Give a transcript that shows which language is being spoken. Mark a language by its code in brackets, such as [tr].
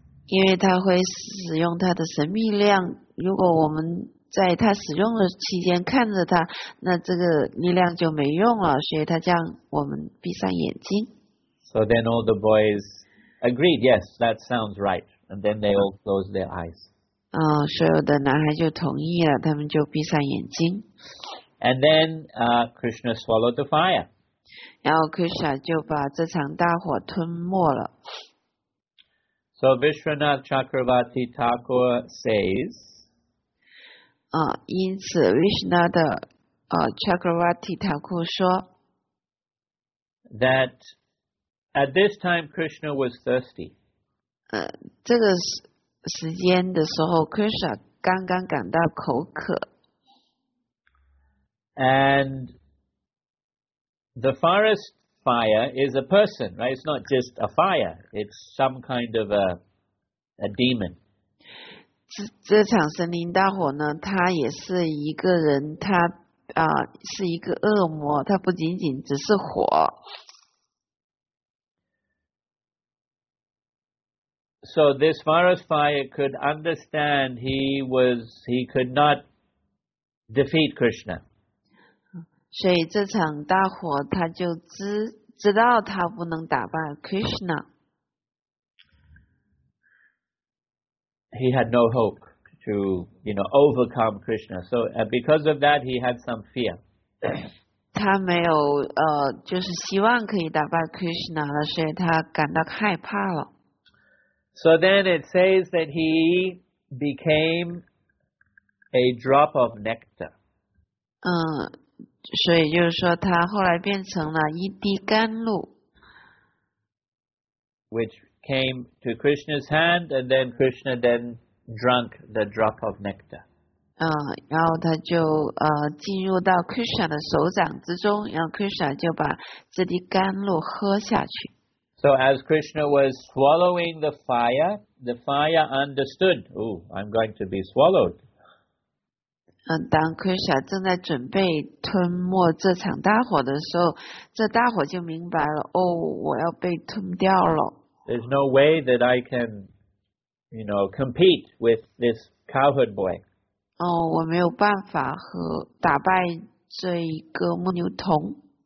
[zh] 因为他会使用他的神秘量，如果我们在他使用的期间看着他，那这个力量就没用了，所以他叫我们闭上眼睛。 [en] So then all the boys agreed, yes, that sounds right. And then they all closed their eyes. [zh] 所有的男孩就同意了，他们就闭上眼睛。 [en] And then Krishna swallowed the fire. [zh] 然后 Krishna 就把这场大火吞没了。 [en] So Vishwanath Chakravarti Thakur says, [zh] 因此 Vishwanath 的 Chakravarti Thakur 说 [en] that at this time Krishna was thirsty. [zh] 这个时间的时候 Krishna 刚刚感到口渴。 [en] And the forest fire is a person, right? It's not just a fire. It's some kind of a demon. [zh] 这场森林大火呢，它也是一个人，它是一个恶魔，它不仅仅只是火。 [en] So this forest fire could understand he could not defeat Krishna. [zh] 所以这场大火他就 知道他不能打败 Krishna. [en] He had no hope to, you know, overcome Krishna. So because of that, he had some fear. [zh] 他没有就是希望可以打败 Krishna 了，所以他感到害怕了。 [en] So then it says that he became a drop of nectar. [zh] 所以就是说他后来变成了一滴甘露 [en] which came to Krishna's hand and then Krishna then drank the drop of nectar. [zh] 然后他就进入到 Krishna 的手掌之中，然后 Krishna 就把这滴甘露喝下去。 [en] So as Krishna was swallowing the fire understood, oh, I'm going to be swallowed. [zh] 当 Krishna 正在准备吞没这场大火的时候，这大火就明白了，哦，我要被吞掉了。 [en] There's no way that I can, you know, compete with this cowherd boy. [zh] 哦，我没有办法和打败这一个牧牛童。